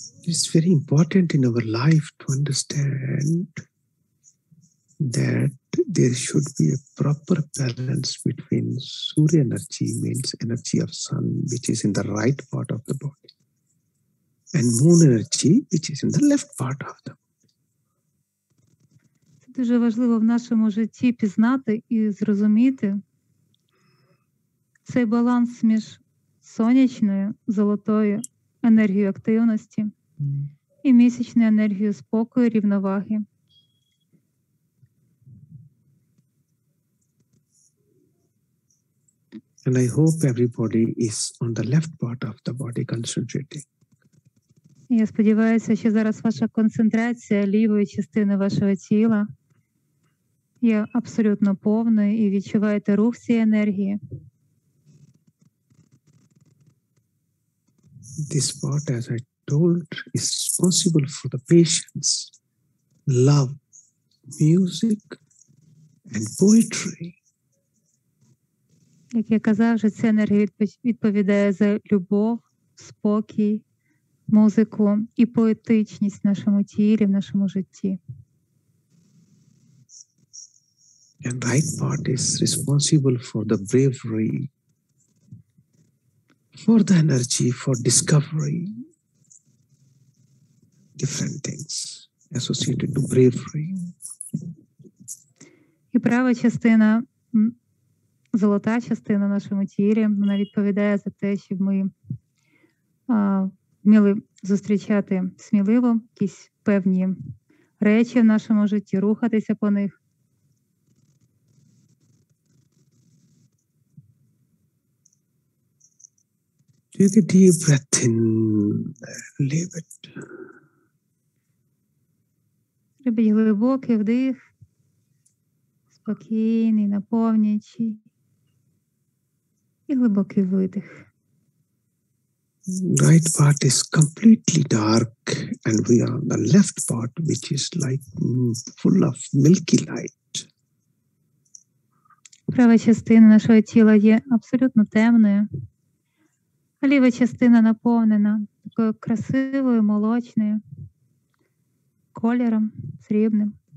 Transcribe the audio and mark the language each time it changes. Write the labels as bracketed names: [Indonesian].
[English] It's very important in our life to understand that there should be a proper balance between Surya energy, means energy of sun, which is in the right part of the body, and moon energy, which is in the left part of the body. [Ukrainian] Це дуже важливо в нашому житті пізнати і зрозуміти цей баланс між сонячною, золотою енергією активності і місячною енергією спокою, рівноваги. [English] And I hope everybody is on the left part of the body concentrating. [Ukrainian] Я сподіваюся, що зараз ваша концентрація лівої частини вашого тіла є абсолютно повною і відчуваєте рух цієї енергії. [English] This part, as I told, is possible for the patience, love, music and poetry. [Ukrainian] Як я казав, вже ця енергія відповідає за любов, спокій, музику і поетичність в нашому тілі, в нашому житті. [English] And right part is responsible for the bravery, for the energy, for discovery, different things associated to bravery. [Ukrainian] І права частина, золота частина в нашому тілі, вона відповідає за те, щоб ми вміли зустрічати сміливо якісь певні речі в нашому житті, рухатися по них. [English] Take a deep breath in, leave it. [Ukrainian] Робіть глибокий вдих, спокійний, наповнюючий. І глибокий видих. [English] Right part is completely dark and we are on the left part which is like full of milky light. [Ukrainian] Права частина нашого тіла є абсолютно темною, а ліва частина наповнена такою красивою, молочною кольором, срібним.